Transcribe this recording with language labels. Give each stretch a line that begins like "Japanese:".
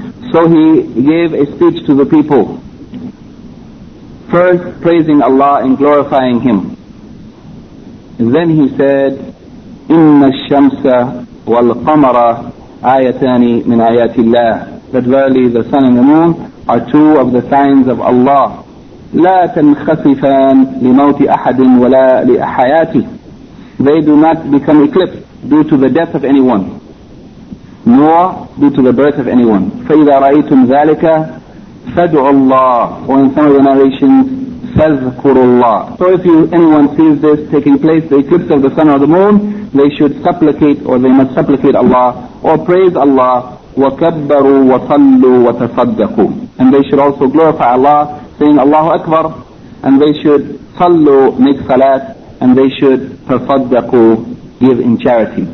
English: So he gave a speech to the people, first praising Allah and glorifying Him. And then he said,
Arabic: إِنَّ الشَّمْسَ وَالْقَمَرَ آيَتَانِ مِنْ آيَاتِ اللَّهِ.
English: that verily the sun and the moon are two of the signs of Allah.
Arabic: لا تنخسفان لموت أحد ولا لحياته.
English: They do not become eclipsed due to the death of anyone, nor due to the birth of anyone.
Arabic: فإذا رأيتم ذلك فدعوا الله.
English: Or in some of the narrations,
Arabic: فذكروا الله.
English: So if you, anyone sees this taking place, the eclipse of the sun or the moon, they should supplicate, or they must supplicate Allah, or praise Allah.
Arabic: وكبروا وصلوا وتصدقوا.
English: And they should also glorify Allah, saying Allahu Akbar, and they should
Arabic: صلوا,
English: make salat, and they should
Arabic: تصدقوا,
English: give in charity.